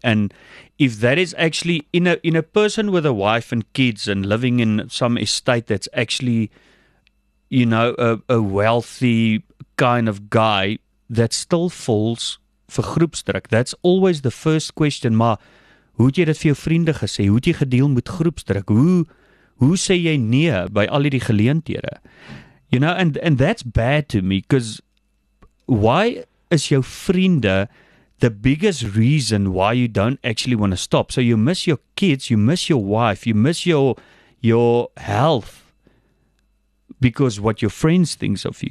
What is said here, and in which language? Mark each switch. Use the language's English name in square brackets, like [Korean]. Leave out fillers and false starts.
[English] And if that is actually in a person with a wife and kids and living in some estate that's actually, you know, a wealthy kind of guy that still falls for groepsdruk. That's always the first question. [Afrikaans] Maar, hoe het jy dit vir jou vriende gesê? Hoe het jy gedeel met groepsdruk? Hoe sê jy nee by al die geleenthede? [English] You know, and that's bad to me, because why is [Afrikaans] jou vriende [English] the biggest reason why you don't actually want to stop? So you miss your kids, you miss your wife, you miss your health. because what your friends think of you.